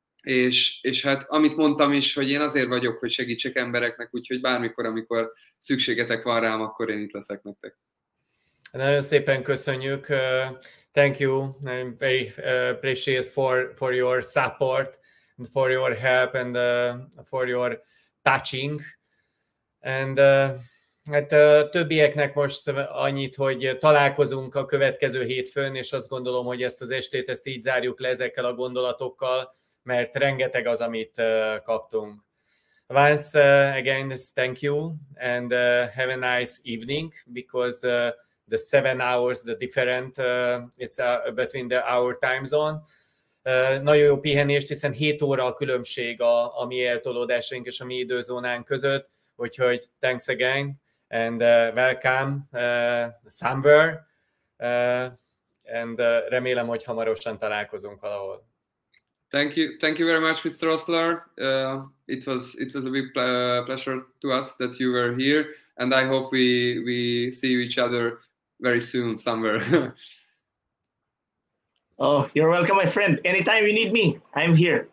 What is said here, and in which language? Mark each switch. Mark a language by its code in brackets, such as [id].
[hu] És hát amit mondtam is, hogy én azért vagyok, hogy segítsek embereknek, úgyhogy bármikor, amikor szükségetek van rám, akkor én itt leszek nektek. Nagyon szépen köszönjük. [en] Thank you. I'm very appreciate for your support and for your help and for your touching. [hu] And hát többieknek most annyit, hogy találkozunk a következő hétfőn, és azt gondolom, hogy ezt az estét ezt így zárjuk le ezekkel a gondolatokkal, mert rengeteg az, amit kaptunk. [en] Once again, thank you and have a nice evening, because the 7 hours, the different, it's between the our time zone. [hu] Nagyon jó pihenést, hiszen 7 óra a különbség a mi eltolódásaink és a mi időzónánk között, úgyhogy [en] thanks again. And welcome somewhere, and [hu] remélem, hogy hamarosan találkozunk valahol. [en] Thank you very much, Mr. Osler. It was a big pleasure to us that you were here, and I hope we see each other very soon somewhere. Oh, you're welcome, my friend. Anytime you need me, I'm here.